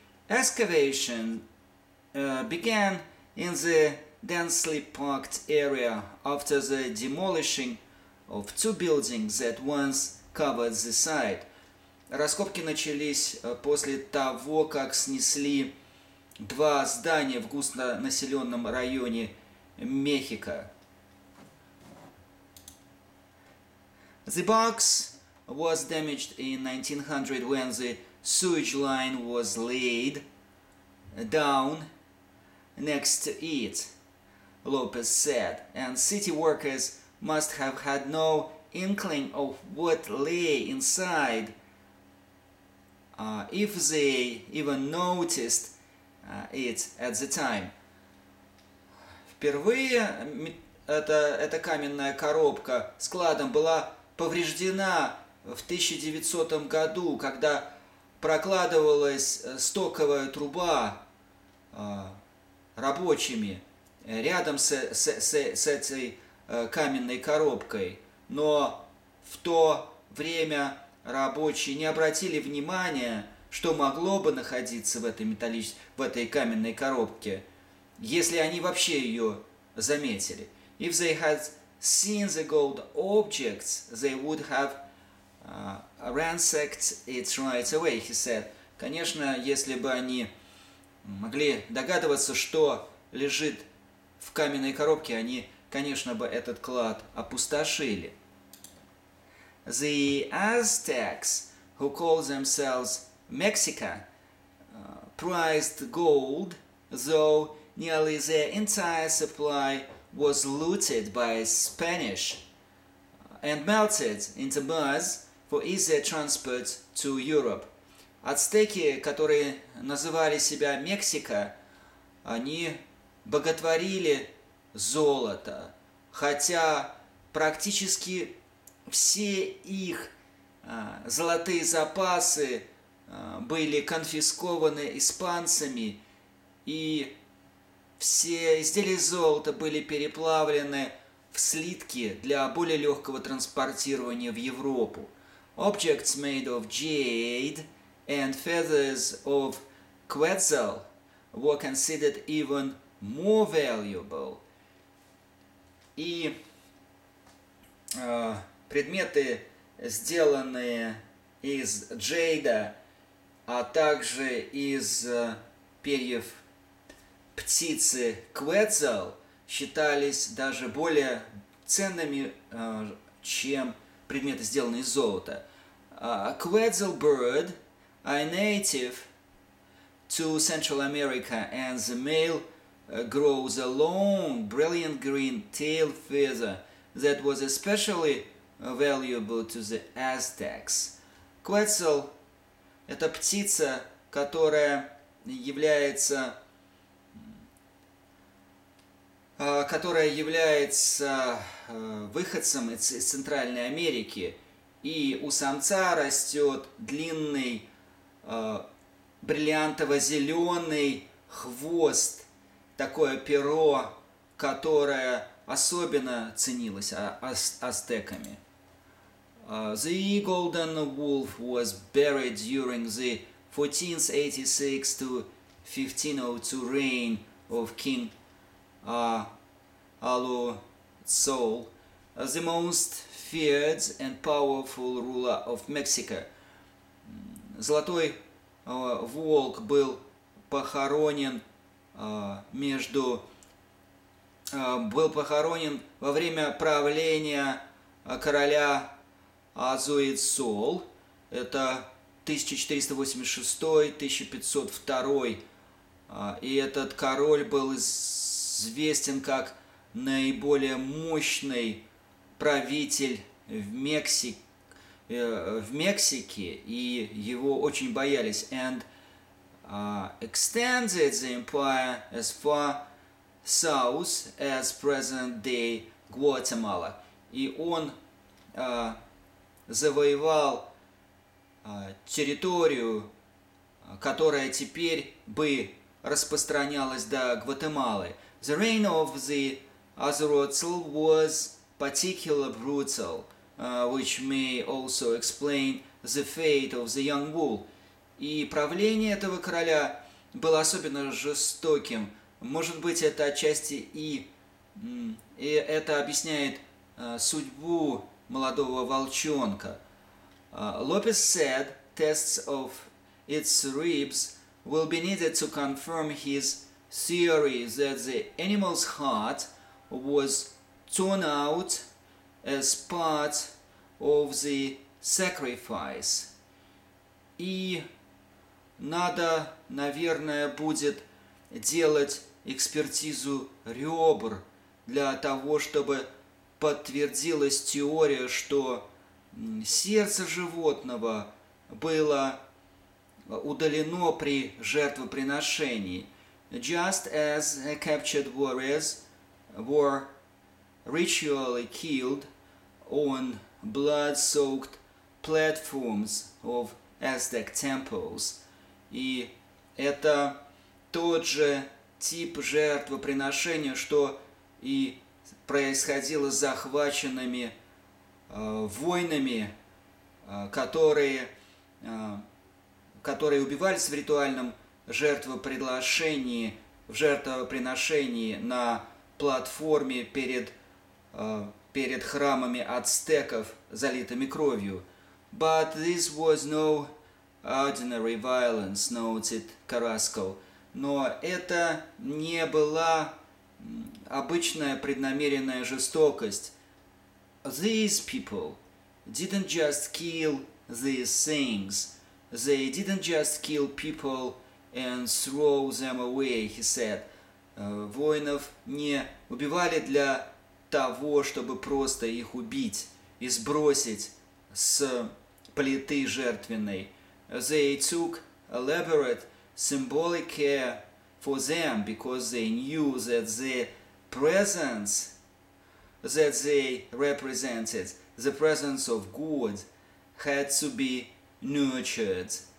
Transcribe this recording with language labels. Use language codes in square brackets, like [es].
[en] Excavation began in the densely packed area after the demolishing of two buildings that once covered the site. [ru] Раскопки начались после того, как снесли два здания в густонаселенном районе Мехико. [en] The box was damaged in 1900 when the sewage line was laid down next to it, Lopez said, and city workers must have had no inkling of what lay inside. If they even noticed it at the time. [ru] Впервые эта каменная коробка складом была повреждена в 1900 году, когда прокладывалась стоковая труба рабочими рядом с этой каменной коробкой. Но в то время рабочие не обратили внимания, что могло бы находиться в этой этой каменной коробке, если они вообще ее заметили. [en] If they had seen the gold objects, they would have ransacked it right away, he said. [ru] Конечно, если бы они могли догадываться, что лежит в каменной коробке, они, конечно, бы этот клад опустошили. [en] The Aztecs, who called themselves Mexica, prized gold, though nearly their entire supply was looted by Spanish and melted into mud for easier transport to Europe. [ru] Ацтеки, которые называли себя Мексика, они боготворили золото, хотя практически все их золотые запасы были конфискованы испанцами, и все изделия золота были переплавлены в слитки для более легкого транспортирования в Европу. [en] Objects made of jade and feathers of quetzal were considered even more valuable. [ru] И предметы, сделанные из джейда, а также из перьев птицы квецел, считались даже более ценными, чем предметы, сделанные из золота. [en] Quetzal bird, a native to Central America, and the male grows a long, brilliant green tail feather that was especially valuable to the Aztecs. [ru] Quetzal – это птица, которая является, выходцем из Центральной Америки, и у самца растет длинный бриллиантово-зеленый хвост, такое перо, которое особенно ценилось ацтеками. [en] The golden wolf was buried during the 1486 to 1502 reign of King Alonsol, the most feared and powerful ruler of Mexico. [ru] Золотой волк был похоронен во время правления короля Азуэцол, это 1486-1502 И этот король был известен как наиболее мощный правитель в Мексике, и его очень боялись. [en] And extended the empire as far south as present-day Гватемала. [ru] И он завоевал территорию, которая теперь бы распространялась до Гватемалы. [en] The reign of the Azorotzil was particularly brutal, which may also explain the fate of the young bull. [ru] И правление этого короля было особенно жестоким. Может быть, это отчасти и это объясняет судьбу молодого волчонка. [en] Lopez said tests of its ribs will be needed to confirm his theory that the animal's heart was torn out as part of the sacrifice. [ru] И надо, наверное, будет делать экспертизу ребер для того, чтобы подтвердилась теория, что сердце животного было удалено при жертвоприношении. [en] Just as captured warriors were ritually killed on blood-soaked platforms of Aztec temples. [ru] И это тот же тип жертвоприношения, что и происходило с захваченными воинами, которые убивались в ритуальном жертвоприношении, в жертвоприношении на платформе перед храмами ацтеков, залитыми кровью. [en] But this was no ordinary violence, noted Carrasco. [ru] Но это не была обычная преднамеренная жестокость. [en] These people didn't just kill these things. They didn't just kill people and throw them away, he said. [ru] Воинов не убивали для того, чтобы просто их убить и сбросить с плиты жертвенной. [en] They took elaborate symbolic care for them because they knew that the presence that they represented, the presence of God, had to be nurtured.